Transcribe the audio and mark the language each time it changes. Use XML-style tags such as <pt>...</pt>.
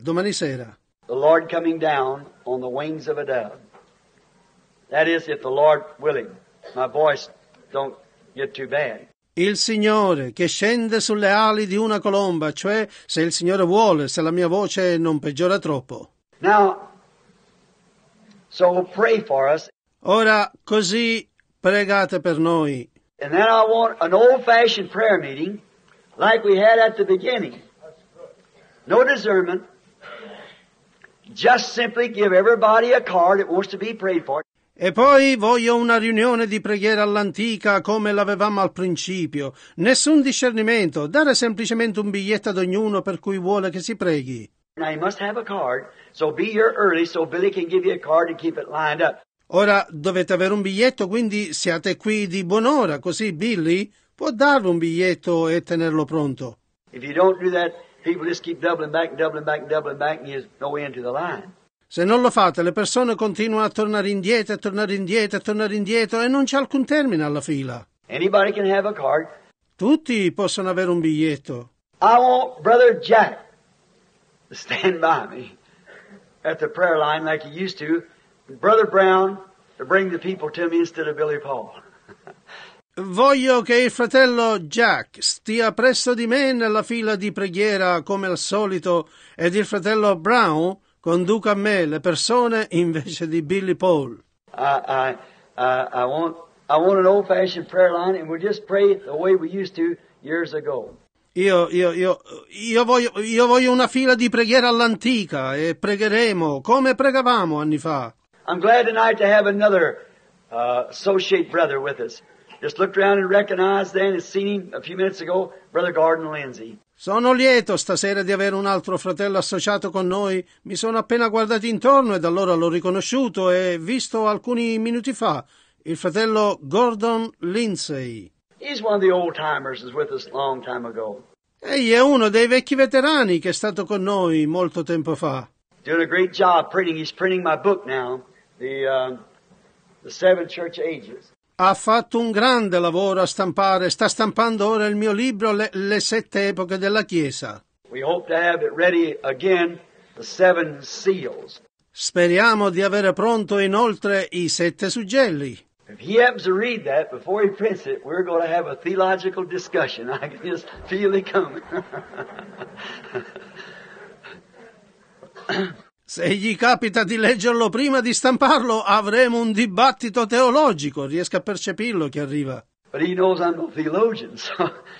<it>Domani sera.</it> <en>The Lord coming down on the wings of a dove. That is, if the Lord willing. My voice don't get too bad.</en> <it>Il Signore che scende sulle ali di una colomba, cioè se il Signore vuole, se la mia voce non peggiora troppo.</it> <en>Now, so pray for us.</en> <it>Ora così pregate per noi.</it> <en>And then I want an old-fashioned prayer meeting, like we had at the beginning. No discernment. Just simply give everybody a card that wants to be prayed for.</en> <it>E poi voglio una riunione di preghiera all'antica come l'avevamo al principio. Nessun discernimento. Dare semplicemente un biglietto ad ognuno per cui vuole che si preghi.</it> <en>Now you must have a card. So be here early so Billy can give you a card and keep it lined up.</en> <it>Ora dovete avere un biglietto, quindi siate qui di buon'ora, così Billy può darvi un biglietto e tenerlo pronto.</it> <en>If you don't do that, people just keep doubling back, doubling back, doubling back, and there's no end to the line.</en> <it>Se non lo fate, le persone continuano a tornare indietro, a tornare indietro, a tornare indietro, e non c'è alcun termine alla fila.</it> <en>Anybody can have a card.</en> <it>Tutti possono avere un biglietto.</it> <en>I want Brother Jack to stand by me at the prayer line like he used to, Brother Brown to bring the people to me instead of Billy Paul.</en> <it>Voglio che il fratello Jack stia presso di me nella fila di preghiera come al solito ed il fratello Brown conduca a me le persone invece di Billy Paul.</it> <en>I want an old-fashioned prayer line and we'll just pray the way we used to years ago.</en> <it>Io voglio una fila di preghiera all'antica e pregheremo come pregavamo anni fa.</it> <en>I'm glad tonight to have another associate brother with us. Just looked around and recognized then and seen him a few minutes ago, Brother Gordon Lindsay.</en> <it>Sono lieto stasera di avere un altro fratello associato con noi. Mi sono appena guardato intorno e da allora l'ho riconosciuto e visto alcuni minuti fa il fratello Gordon Lindsay.</it> <en>He's one of the old timers who's with us a long time ago.</en> <it>Egli è uno dei vecchi veterani che è stato con noi molto tempo fa.</it> <en>Doing a great job printing. He's printing my book now, the Seven Church Ages.</en> <it>Ha fatto un grande lavoro a stampare. Sta stampando ora il mio libro Le sette epoche della Chiesa.</it> <en>We hope to have it ready again, the seven seals.</en> <it>Speriamo di avere pronto inoltre i sette suggelli.</it> <en>If he happens to read that before he prints it, we're going to have a theological discussion. I can just feel it coming.</en> <it>Se gli capita di leggerlo prima di stamparlo, avremo un dibattito teologico. Riesco a percepirlo che arriva.</it> <en>But he knows I'm a theologian, so,</en>